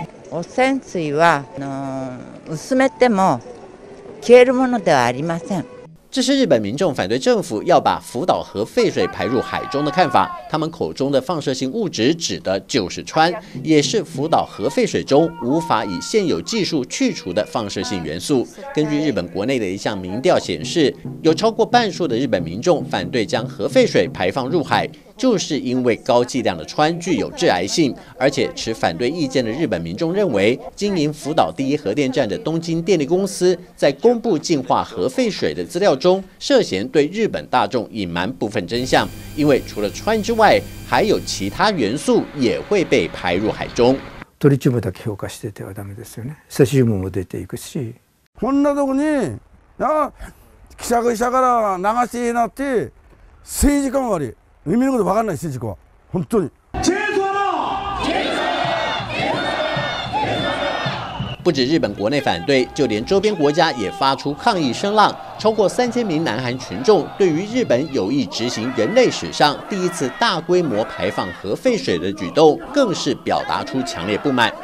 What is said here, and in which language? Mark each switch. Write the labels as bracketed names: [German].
[Japanese] 汚染水は薄めても消えるものではありません。 [Chinese] 这是日本民众反对政府要把福岛核废水排入海中的看法。他们口中的放射性物质指的就是氚，也是福岛核废水中无法以现有技术去除的放射性元素。根据日本国内的一项民调显示，有超过半数的日本民众反对将核废水排放入海，就是因为高剂量的氚具有致癌性。而且持反对意见的日本民众认为，经营福岛第一核电站的东京电力公司在公布净化核废水的资料中，涉嫌对日本大众隐瞒部分真相，因为除了氚之外，还有其他元素也会被排入海中。 [Japanese] トリチウムだけ評価しててはダメですよね。セシウムも出ていくし、こんなとこに、あ、くしゃくしゃから流していいなって政治家も悪い。意味のこと分かんない政治家は本当に。 [Chinese] 不止日本国内反对，就连周边国家也发出抗议声浪。超过3000名南韩群众对于日本有意执行人类史上第一次大规模排放核废水的举动，更是表达出强烈不满。